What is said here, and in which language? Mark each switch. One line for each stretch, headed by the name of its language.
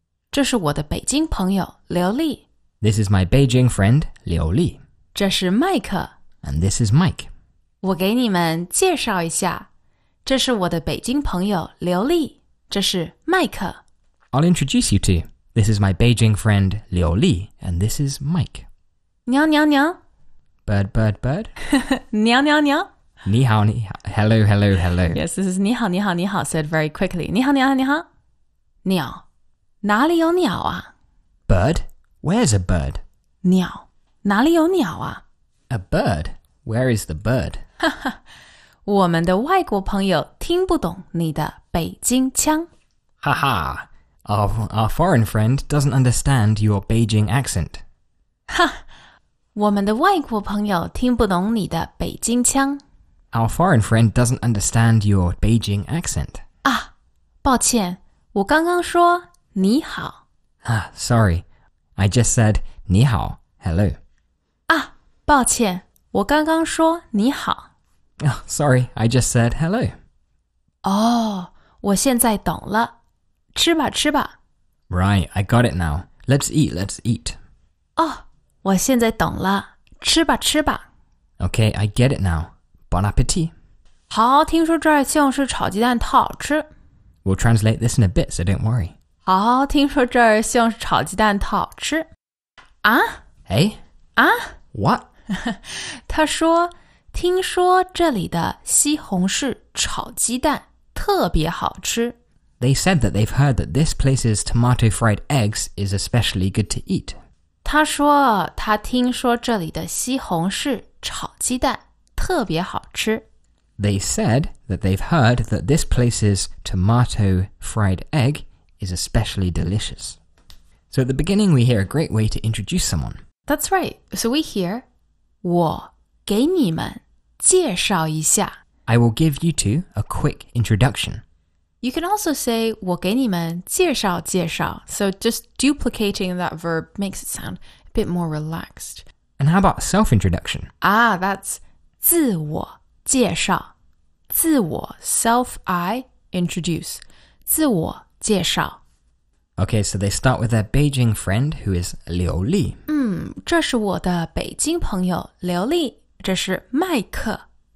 Chinese: 这是我的北京朋友刘丽.
English: This is my Beijing friend, Liu Li.
Chinese: 这是麦克.
English: And this is Mike.
Chinese: 我给你们介绍一下. 这是我的北京朋友刘丽. 这是麦克.
English: I'll introduce you to. This is my Beijing friend, Liu Li, and this is Mike.
Chinese: 娘娘娘.
English: Bird, bird, bird.
Chinese: 娘娘娘. 你好, 你好.
English: Hello, hello, hello. Yes, this is
Chinese: 你好, 你好, 你好,
English: said very quickly.
Chinese: 你好, 你好.鸟.哪里有鸟啊?
English: Bird? Where's a bird?
Chinese: 鸟.哪里有鸟啊?
English: A bird? Where is the bird?
Chinese: 我们的外国朋友听不懂你的北京腔. Ha ha.
English: Our foreign friend doesn't understand your Beijing accent. Ha!
Chinese: 我们的外国朋友听不懂你的北京腔。
English: Our foreign friend doesn't understand your Beijing accent.
Chinese: 啊，抱歉，我刚刚说你好。
English: Ah, sorry, I just said 你好 ,hello.
Chinese: 啊，抱歉，我刚刚说你好。
English: Oh, sorry, I just said hello.
Chinese: 哦，我现在懂了。吃吧，吃吧。
English: Right, I got it now. Let's eat, let's eat.
Chinese: 哦，我现在懂了。吃吧，吃吧。
English: Okay, I get it now. Bon appetit.
Chinese: 好，听说这儿西红柿炒鸡蛋特好吃。
English: We'll translate this in a bit, so don't worry.
Chinese: 好，听说这儿西红柿炒鸡蛋特好吃。啊？哎？啊？
English: What?
Chinese: 他说，听说这里的西红柿炒鸡蛋特别好吃。
English: They said that they've heard that this place's tomato fried eggs is especially good to eat.
Chinese: 他说他听说这里的西红柿炒鸡蛋特别好吃。
English: They said that they've heard that this place's tomato fried egg is especially delicious. So at the beginning, we hear a great way to introduce someone. That's right. So we hear,
Chinese: 我给你们介绍一下。
English: I will give you two a quick introduction. You can also say,
Chinese: 我给你们介绍介绍。
English: So just duplicating that verb makes it sound a bit more relaxed. And how about self-introduction? Ah, that's 自我介绍。自我 self I introduce 自我介绍。 Okay, so they start with their Beijing friend who is Liu Li.
Chinese: 这是我的北京朋友刘丽，这是麦克。